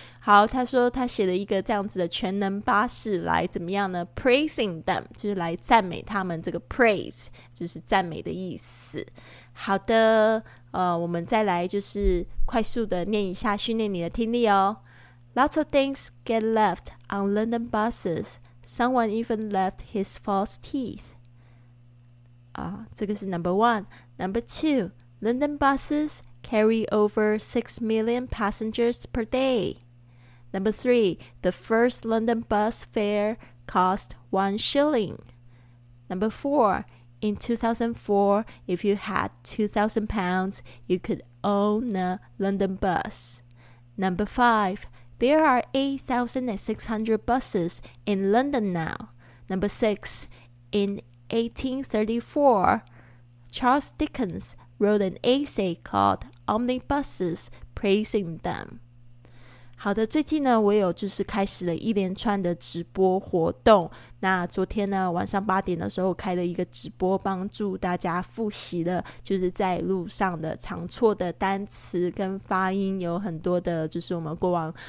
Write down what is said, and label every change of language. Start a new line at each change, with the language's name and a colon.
Chinese: 好，他说他写了一个这样子的全能巴士来怎么样呢
English: praising them
Chinese: 就是来赞美他们，这个 praise 就是赞美的意思。好的，我们再来就是快速的念一下，训练你的听力哦。
English: Lots of things get left on London buses. Someone even left his false teeth.
Chinese: 这个是
English: number one. Number two, London buses carry over 6 million passengers per day. Number three, the first London bus fare cost 1 shilling. Number four, in 2004, if you had 2,000 pounds, you could own a London bus. Number five, there are 8,600 buses in London now. Number six, in 1834, Charles Dickens wrote an essay called Omnibuses, praising them.
Chinese: 好的，最近呢我有就是开始了一连串的直播活动，那昨天呢晚上8点的时候开了一个直播，帮助大家复习了就是在路上的常错的单词跟发音，有很多的就是我们过往